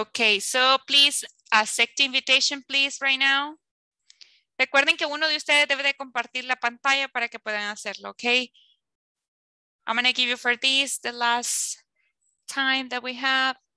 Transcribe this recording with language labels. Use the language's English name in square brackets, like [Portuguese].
[English] Okay, so please accept the invitation, please, right now. [Spanish] Recuerden que uno de ustedes debe de compartir la pantalla para que puedan hacerlo, okay? [English] I'm gonna give you for this the last time that we have.